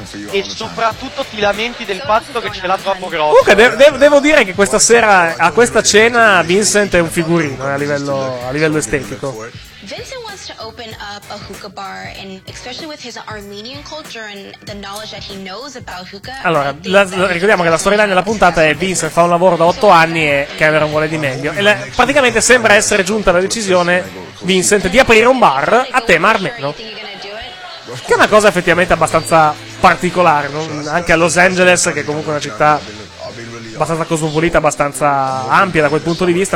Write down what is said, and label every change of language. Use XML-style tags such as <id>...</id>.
<it>E soprattutto ti lamenti del fatto che ce l'ha troppo grosso. Comunque, devo dire che questa sera, a questa cena, Vincent è un figurino a livello estetico.</it> <en>Vincent wants to open up a hookah bar, and especially with his Armenian culture and the knowledge that he knows about hookah.</en> <it>Allora, ricordiamo che la storyline della puntata è: Vincent fa un lavoro da 8 anni e Cameron vuole di meglio. E praticamente sembra essere giunta la decisione, Vincent, di aprire un bar a tema armeno. Che è una cosa effettivamente abbastanza particolare, no? Anche a Los Angeles, che è comunque una città abbastanza cosmopolita, abbastanza ampia da quel punto di vista.</it>